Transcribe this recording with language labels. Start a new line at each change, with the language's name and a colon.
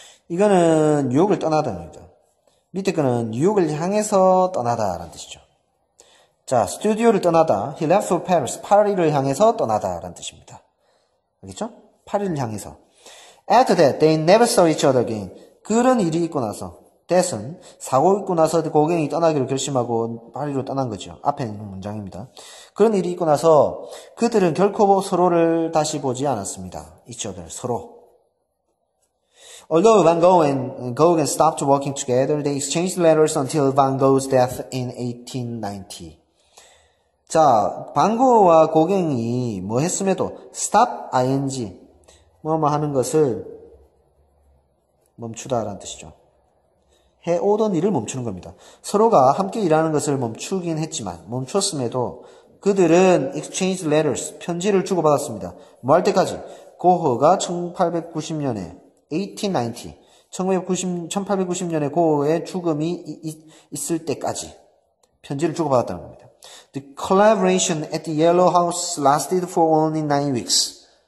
Korean: 이거는 뉴욕을 떠나다는 겁니다. 밑에 거는 뉴욕을 향해서 떠나다라는 뜻이죠. 자, 스튜디오를 떠나다.
English: He left for Paris.
Korean: 파리를 향해서 떠나다라는 뜻입니다. 알겠죠? 파리를 향해서.
English: After that, they never saw each other again.
Korean: 그런 일이 있고 나서, that은 사고 있고 나서 고갱이 떠나기로 결심하고 파리로 떠난 거죠. 앞에 있는 문장입니다. 그런 일이 있고 나서 그들은 결코 서로를 다시 보지 않았습니다. Each other, 서로.
English: Although Van Gogh and Gauguin stopped working together, they exchanged letters until Van Gogh's death in 1890.
Korean: 자, 반고흐와 고갱이 뭐 했음에도 stop ing 뭐뭐 하는 것을 멈추다라는 뜻이죠. 해오던 일을 멈추는 겁니다. 서로가 함께 일하는 것을 멈추긴 했지만 멈췄음에도 그들은
English: exchanged letters
Korean: 편지를 주고받았습니다. 뭐 할 때까지 고흐가 1890년에 1890년에 고흐의 죽음이 있을 때까지 편지를 주고받았다는 겁니다.
English: The collaboration at the Yellow House lasted for only 9 weeks.